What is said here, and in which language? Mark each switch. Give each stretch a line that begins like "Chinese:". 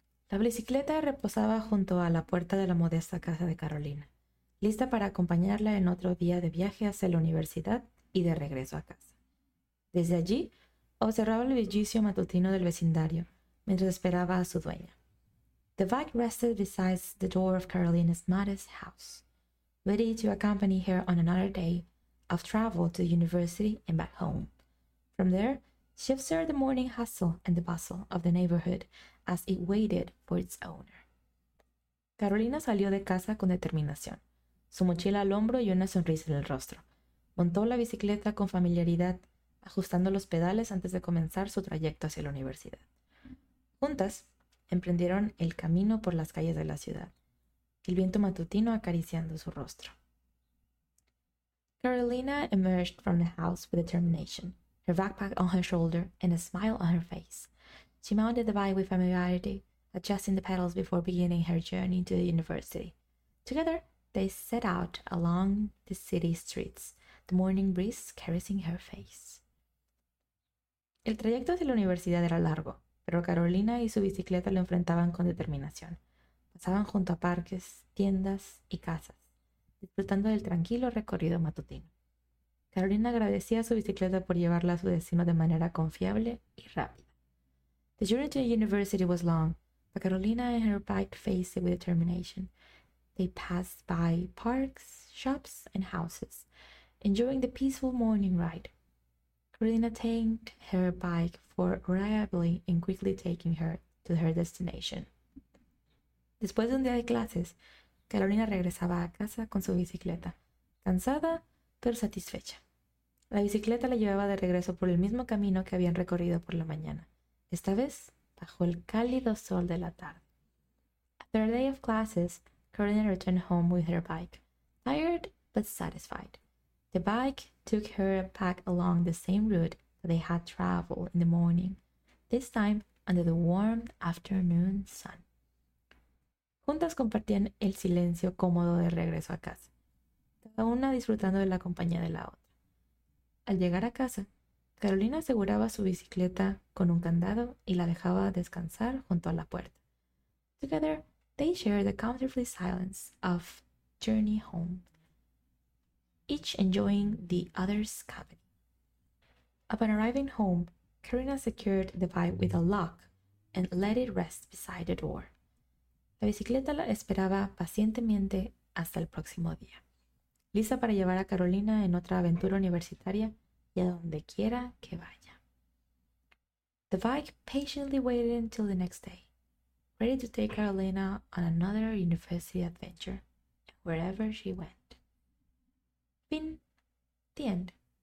Spanish: La bicicleta reposaba junto a la puerta de la modesta casa de Carolina, lista para acompañarla en otro día de viaje hacia la universidad y de regreso a casa. Desde allí, observaba el bullicio matutino del vecindario mientras esperaba a su dueña.
English: The bike rested beside the door of Carolina's modest house, ready to accompany her on another day of travel to the university and back home. From there, she observed the morning hustle and the bustle of the neighborhood as it waited for its owner.
Spanish: Carolina salió de casa con determinación, su mochila al hombro y una sonrisa en el rostro. Montó la bicicleta con familiaridad, ajustando los pedales antes de comenzar su trayecto hacia la universidad. Juntas, emprendieron el camino por las calles de la ciudad, el viento matutino acariciando su rostro.
English: Carolina emerged from the house with determination, her backpack on her shoulder and a smile on her face. She mounted the bike with familiarity, adjusting the pedals before beginning her journey to the university. Together, they set out along the city streets, the morning breeze caressing her face.
Spanish: El trayecto hacia la universidad era largo, pero Carolina y su bicicleta lo enfrentaban con determinación. Pasaban junto a parques, tiendas y casas, disfrutando del tranquilo recorrido matutino. Carolina agradecía a su bicicleta por llevarla a su destino de manera confiable y rápida.
English: The journey to the university was long, but Carolina and her bike faced it with determination. They passed by parks, shops, and houses, enjoying the peaceful morning ride. Carolina thanked her bike for reliably and quickly taking her to her destination.
Spanish: Después de un día de clases, Carolina regresaba a casa con su bicicleta, cansada pero satisfecha. La bicicleta la llevaba de regreso por el mismo camino que habían recorrido por la mañana, esta vez bajo el cálido sol de la tarde.
English: After a day of classes, Carolina returned home with her bike, tired but satisfied. The bike took her back along the same route that they had traveled in the morning, this time under the warm afternoon sun.
Spanish: Juntas compartían el silencio cómodo de regreso a casa, cada una disfrutando de la compañía de la otra. Al llegar a casa, Carolina aseguraba su bicicleta con un candado y la dejaba descansar junto a la puerta.
English: Together, they shared the comfortable silence of journey home, each enjoying the other's company. Upon arriving home, Carolina secured the bike with a lock and let it rest beside the door.
Spanish: La bicicleta la esperaba pacientemente hasta el próximo día, lista para llevar a Carolina en otra aventura universitaria y a donde quiera que vaya.
English: The bike patiently waited until the next day, ready to take Carolina on another university adventure, wherever she went. Fin. The end.